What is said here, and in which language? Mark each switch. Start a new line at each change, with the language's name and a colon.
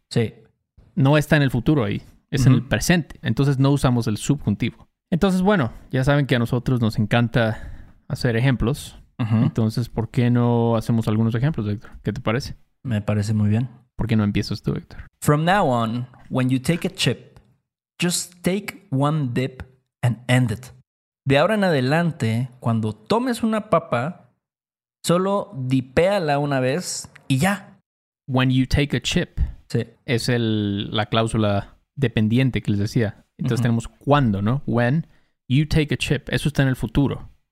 Spanish: Sí. No está en el futuro ahí. Es en el presente. Entonces no usamos el subjuntivo. Entonces, bueno, ya saben que a nosotros nos encanta hacer ejemplos. Uh-huh. Entonces, ¿por qué no hacemos algunos ejemplos, Héctor? ¿Qué te parece? Me parece muy bien. ¿Por qué no empiezas tú, Héctor?
English: From now on, when you take a chip, just take one dip and end it.
Spanish: De ahora en adelante, cuando tomes una papa... Solo dipéala una vez y ya.
English: When you take a chip.
Spanish: Sí. Es la cláusula dependiente que les decía. Entonces tenemos cuando, ¿no?
English: When you take a chip.
Spanish: Eso está en el futuro.